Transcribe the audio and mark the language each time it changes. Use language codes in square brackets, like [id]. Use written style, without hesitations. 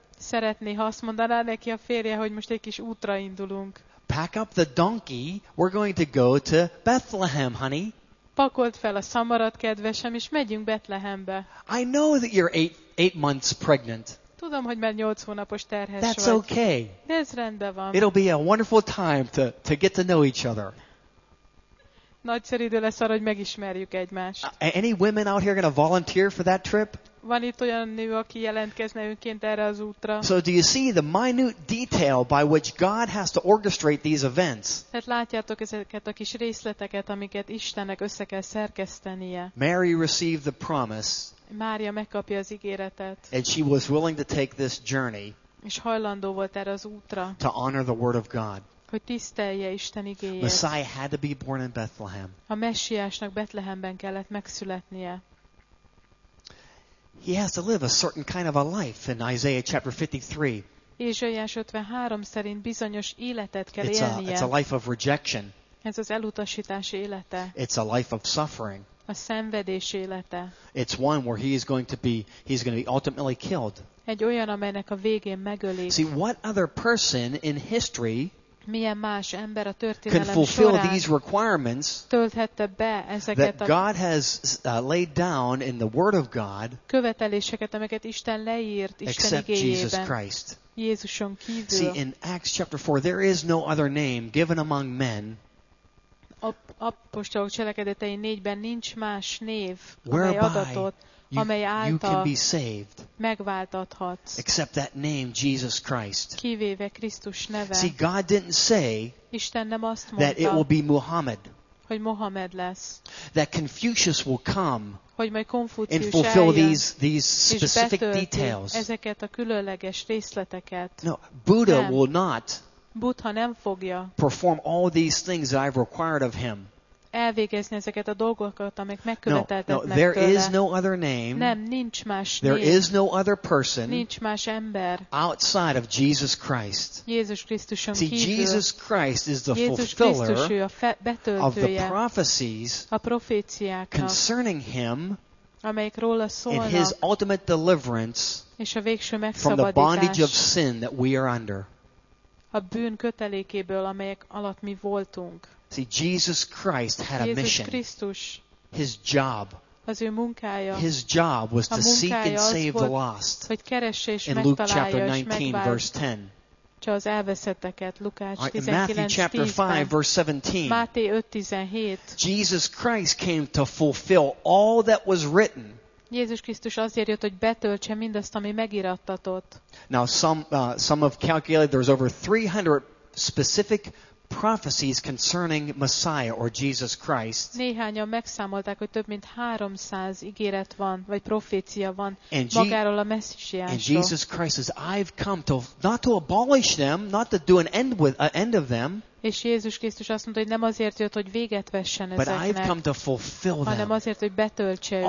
[hu] Szeretné, ha azt mondaná neki a férje, hogy most egy kis útra indulunk. [en] Pack up the donkey. We're going to go to Bethlehem, honey. [hu] Pakold fel a szamarat, kedvesem, és megyünk Betlehembe. [en] I know that you're eight months pregnant. [hu] Tudom, hogy már 8 hónapos terhes [en] That's [hu] vagy. [en] Okay. [hu] De ez rendben van. [en] It'll be a wonderful time to get to know each other. [hu] Nagyszerű idő lesz arra, hogy megismerjük egymást. [en] Any women out here going to volunteer for that trip? [hu] Van itt olyan nő, aki jelentkezne önként erre az útra. [en] So do you see the minute detail by which God has to orchestrate these events? [hu] Tehát látjátok ezeket a kis részleteket, amiket Istennek össze kell szerkesztenie. [en] Mary received the promise. [hu] Mária megkapja az ígéretet. [en] And she was willing to take this journey. [hu] És hajlandó volt erre az útra. [en] To honor the word of God. [hu] Hogy tisztelje Isten igéjét. [en] Messiah had to be born in Bethlehem. [hu] A Messiásnak Betlehemben kellett megszületnie. [en] He has to live a certain kind of a life in Isaiah chapter 53. [hu] Ézsaiás 53 szerint bizonyos életet kell [en] it's [hu] élnie. [en] It's a life of rejection. [hu] Ez az elutasítás élete. [en] It's a life of suffering. [hu] A szenvedés élete. [en] It's one where he's going to be ultimately killed. [hu] Egy olyan, amelynek a végén megölik. [en] See, what other person in history [hu] milyen más ember a történelem során [en] fulfill these requirements [hu] tölthette be ezeket [en] that God has laid down in the Word of God [hu] követeléseket, amiket Isten leírt Isten [en] except [hu] igényében. [en] Jesus Christ. [hu] Jézuson kívül. [en] See, in Acts chapter 4, there is no other name given among men. [hu] Apostolok cselekedetei 4-ben nincs más név, amely adatot, amely által megváltathatsz. [en] Except that name, Jesus Christ. [hu] Kivéve Krisztus neve. [en] See, God didn't say [hu] Isten nem azt mondta, [en] that it will be Muhammad. [hu] Hogy Mohamed lesz. [en] That Confucius will come [hu] hogy majd Konfúcius [en] and fulfill these specific details. [hu] Ezeket a különleges részleteket. [en] No, Buddha will not [hu] Buddha nem fogja [en] perform all these things that I've required of him. [hu] Elvégezni ezeket a dolgokat, amik megköveteltek meg tőle. [en] No, there is no other name. [hu] Nem, nincs más név. [en] There is no other person. [hu] Nincs más ember. [en] Outside of Jesus Christ. [hu] Jézus Krisztuson kívül. [en] See, Jesus Christ is the fulfiller of the prophecies [hu] a proféciáknak [en] concerning him [hu] amelyek róla szólnak [en] and his ultimate deliverance [hu] és a végső megszabadítás [en] from the bondage of sin that we are under. [hu] A bűn kötelékéből, amelyek alatt mi voltunk. [en] See, Jesus Christ had a mission. [hu] Jézus Krisztus. [en] His job. [hu] Az ő munkája. [en] His job was to seek and save the lost. [hu] Hogy keresse és megtalálja. [en] Luke chapter 19 verse 10. [hu] Csak az elveszetteket, Lukács 19:10. [en] Matthew chapter 5 verse 17. [hu] Máté 5:17. [en] Jesus Christ came to fulfill all that was written. [hu] Jézus Krisztus azért jött, hogy betöltse mindazt, ami megirattatott. [en] Now some have calculated there's over 300 specific prophecies concerning Messiah or Jesus Christ. [hu] Néhányan megszámolták, hogy több mint 300 ígéret van, vagy profécia van magáról a Messiásról. [en] And Jesus Christ says, I've come to not to abolish them, not to do an end with end of them. [hu] És Jézus Krisztus azt mondta, hogy nem azért jött, hogy véget vessen ezeknek, [en] but I've come to fulfill them, [hu] hanem azért, hogy betöltse őket.